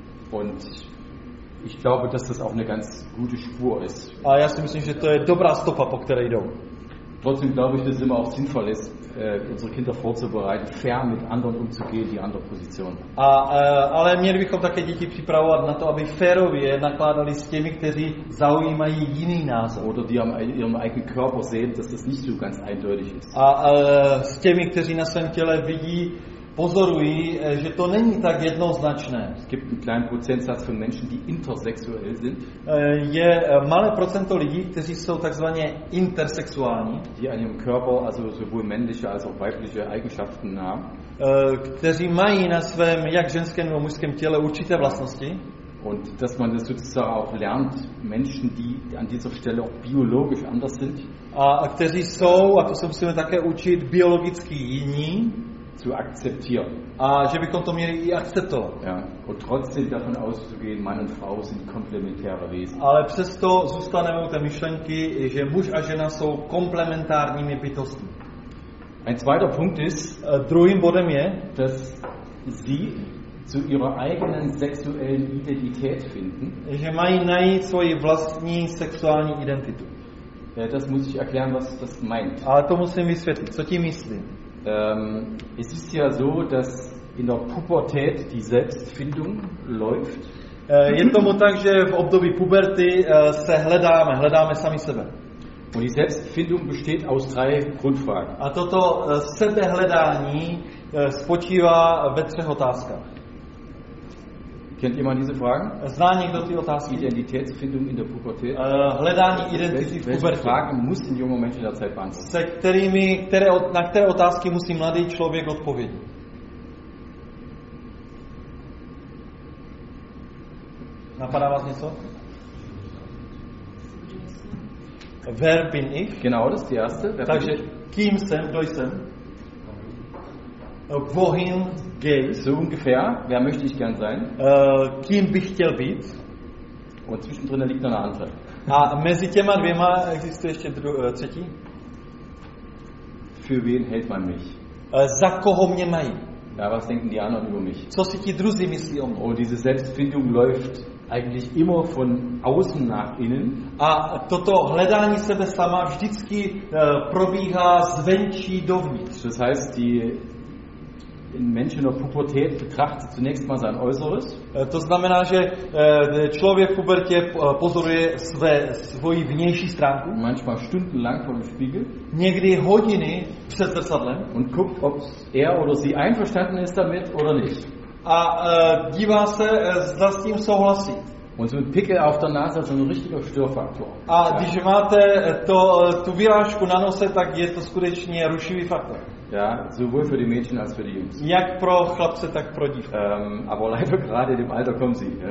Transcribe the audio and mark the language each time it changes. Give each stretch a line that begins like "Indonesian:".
German: Und ich glaube, dass das auch eine ganz gute Spur ist.
Czech: A já si myslím, že to je dobrá stopa, po které jdou.
German: Trotzdem glaube ich, dass es immer auch sinnvoll ist, unsere Kinder vorzubereiten, fair mit anderen umzugehen, die andere Position.
Czech: Ale měli bychom také děti připravovat na to, aby férově nakládali s těmi, kteří zaujímají jiný názor.
German: Oder die am ihrem eigenen Körper sehen, dass das nicht so ganz eindeutig ist.
Czech: S těmi, kteří na svém těle vidí, pozorují, že to není tak jednoznačné.
German: Es gibt einen kleinen Prozentsatz von Menschen, die intersexuell sind.
Czech: Je malé procento lidí, kteří jsou takzvaně intersexuální.
German: Die an ihrem Körper, also sowohl männliche als auch weibliche Eigenschaften haben.
Czech: Kteří mají na svém jak ženském, nebo mužském těle určité vlastnosti.
German: Und dass man das sozusagen auch lernt, Menschen, die an dieser Stelle auch biologisch anders sind.
Czech: A kteří jsou, a to se musíme také učit, biologicky jiní.
German: Zu akzeptieren.
Czech: A že bychom to měli i akceptovat.
German: Ja, und trotzdem davon auszugehen, Mann und Frau sind komplementäre Wesen.
Czech: Ale přesto zůstaneme u té myšlenky, že muž a žena jsou komplementárními bytostmi.
German: Ein zweiter Punkt ist,
Czech: druhým bodem je,
German: dass sie zu ihrer eigenen sexuellen Identität finden.
Czech: Že mají najít svoji vlastní sexuální identitu.
German: Ja, das muss ich erklären, was das meint.
Czech: Ale to musím vysvětlit, co tím myslím.
German: Es ist ja so, dass in der Pubertät die Selbstfindung läuft.
Czech: Je tomu tak, že v období puberty se hledáme, hledáme sami sebe.
German: Und die Selbstfindung besteht aus drei Grundfragen.
Czech: A toto sebehledání spočívá ve třech otázkách.
German: Kennt jemand diese Fragen?
Czech: Zná někdo ty otázky?
German: Identitätsfindung in der Pubertät.
Czech: Hledání identity v pubertě.
German: Welche Fragen muss ein junger Mensch in der Zeit beantworten?
Czech: Na které otázky musí mladý člověk odpovědět? Napadá vás něco?
German: Wer bin ich? Genau, das ist die erste.
Czech: Takže kým jsem, kdo jsem?
German: Wohin gehe ich? So ungefähr. Wer möchte ich gern sein?
Czech: Kým bych chtěl být?
German: Und zwischendrin liegt noch eine andere.
Czech: A mezi těma dvěma existuje ještě třetí?
German: Für wen hält man mich?
Czech: Za koho mě mají?
German: Ja, was denken die anderen über mich?
Czech: Co si ti druzí myslí o mě?
German: Oh, diese Selbstfindung läuft eigentlich immer von außen nach innen.
Czech: A toto hledání sebe sama vždycky probíhá zvenčí dovnitř.
German: Das heißt, die in Menschen der Pubertät betrachtet zunächst mal sein Äußeres.
Czech: To znamená, že člověk v pubertě pozoruje svoji vnější stránku.
German: Manchmal stundenlang vor dem Spiegel.
Czech: Někdy hodiny před zrcadlem.
German: Und guckt, ob er oder sie einverstanden ist damit oder nicht.
Czech: A dívá se, zda s tím souhlasí.
German: Und so ein Pickel auf der Nase ist so ein richtiger Störfaktor.
Czech: A když máte tu vyrážku na nose, tak je to skutečně rušivý faktor.
German: Ja, sowohl für die Mädchen als für die Jungs.
Czech: Jak pro chlapce, tak pro dívky.
German: Aber leider gerade in dem Alter kommen sie.